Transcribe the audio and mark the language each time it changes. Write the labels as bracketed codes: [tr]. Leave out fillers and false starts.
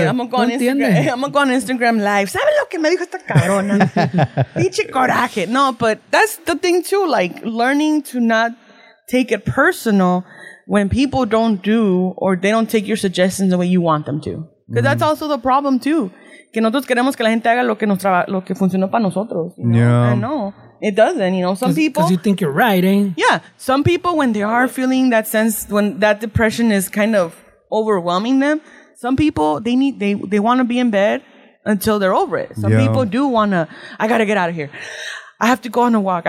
[en] Okay, I'm going to go on Instagram live. [es] ¿Sabe lo que me dijo esta cabrona? Pinche coraje. [en] No, but that's the thing too. Like learning to not take it personal when people don't do or they don't take your suggestions the way you want them to. Because that's also the problem too. [es] Que nosotros queremos que la gente haga lo que funcionó para nosotros. [en] You know? Yeah. And no, it doesn't. You know, some people. Because you think you're right, eh? Yeah. Some people, when they are feeling that sense, when that depression is kind of overwhelming them, some people, they want to be in bed until they're over it. Some people do want to, I got to get out of here. I have to go on a walk.